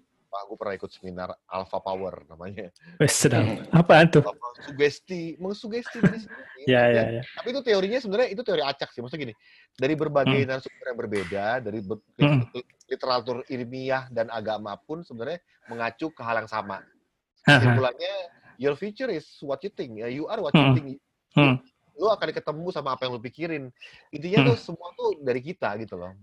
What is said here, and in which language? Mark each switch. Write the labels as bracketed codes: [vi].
[id] Pak, gue pernah ikut seminar Alpha Power namanya. Sedang. Apa itu? Mengsugesti. Tapi itu teorinya sebenarnya itu teori acak sih. Maksudnya gini, dari berbagai narasumber yang berbeda, dari literatur ilmiah dan agama pun sebenarnya mengacu ke hal yang sama. Kesimpulannya, [en] your future is what you think. You are what you think. [id] Lu akan ketemu sama apa yang lu pikirin. Intinya tuh semua tuh dari kita gitu loh.